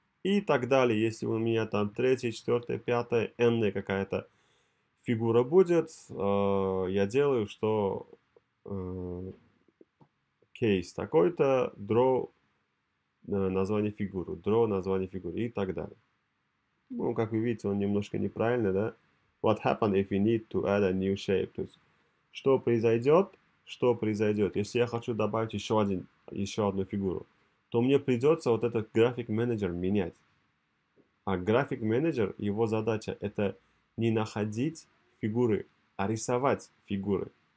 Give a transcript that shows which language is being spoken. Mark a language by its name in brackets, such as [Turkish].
[Russian] И так далее, если у меня там третья, четвертая, пятая, n-ная какая-то фигура будет, я делаю, что кейс такой-то, draw название фигуры, draw название фигуры и так далее. Ну, как вы видите, он немножко неправильный, да? [English] What happened if we need to add a new shape? [Russian] То есть, что произойдет, если я хочу добавить еще одну фигуру, то мне придется вот этот график менеджер менять. А график менеджер, его задача это не находить фигуры, а рисовать фигуры.